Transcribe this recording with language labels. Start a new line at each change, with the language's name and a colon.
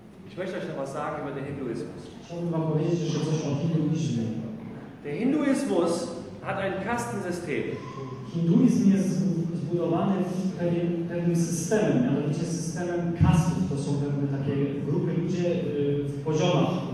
German: Ich möchte euch noch was sagen über den Hinduismus.
Polish: Chciałbym wam powiedzieć, że coś o hinduizmie.
German: Der Hinduismus hat ein Kastensystem.
Polish: Hinduizm jest zbudowany w pewnym systemem, mianowicie systemem kastów. To są pewne takie grupy ludzi w poziomach.